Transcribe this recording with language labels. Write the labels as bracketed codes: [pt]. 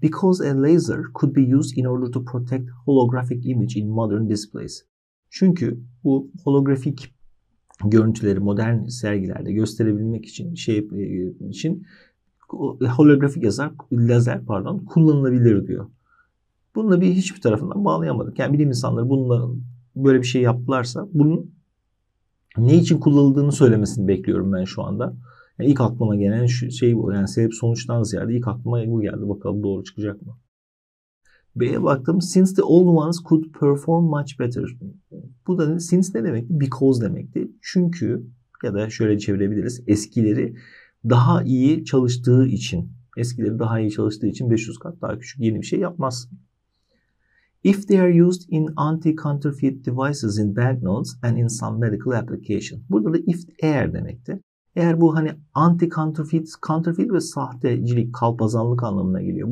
[en] Because a laser could be used in order to protect holographic image in modern displays. [tr] Çünkü bu holografik görüntüleri modern sergilerde gösterebilmek için holografik yazar lazer pardon kullanılabilir diyor. Bununla bir hiçbir tarafından bağlayamadık. Yani bilim insanları bununla böyle bir şey yaptılarsa bunun ne için kullanıldığını söylemesini bekliyorum ben şu anda. Yani ilk aklıma gelen şey bu. Yani sebep sonuçtan ziyade ilk aklıma bu geldi. Bakalım doğru çıkacak mı? B'ye baktım. [en] Since the old ones could perform much better. [tr] Bu da since ne demekti? Because demekti. Çünkü ya da şöyle çevirebiliriz. Eskileri daha iyi çalıştığı için. Eskileri daha iyi çalıştığı için 500 kat daha küçük yeni bir şey yapmaz. [en] If they are used in anti-counterfeit devices in banknotes and in some medical application. [tr] Burada da if eğer demekti. Eğer bu hani counterfeit ve sahtecilik, kalpazanlık anlamına geliyor.